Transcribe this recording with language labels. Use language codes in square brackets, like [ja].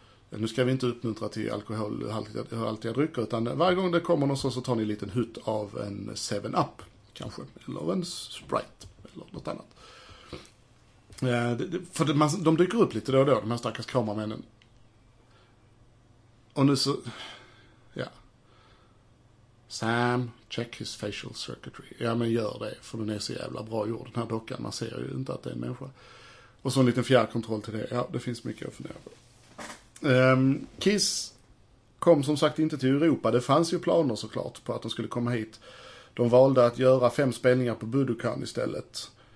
[sv] Nu ska vi inte uppmuntra till alkohol hur alltid jag dricker, utan varje gång det kommer någon så tar ni en liten hutt av en 7-Up kanske, eller en Sprite eller något annat. För de dyker upp lite då och då, de här stackars kameramännen. Och nu så... Ja. [en] Sam, check his facial circuitry. [sv] Ja, men gör det, för den är så jävla bra gjord, den här dockan. Man ser ju inte att det är en människa. Och så en liten fjärrkontroll till det. Ja, det finns mycket att fundera på. Kiss kom som sagt inte till Europa. Det fanns ju planer såklart på att de skulle komma hit. De valde att göra 5 spelningar på Budokan istället.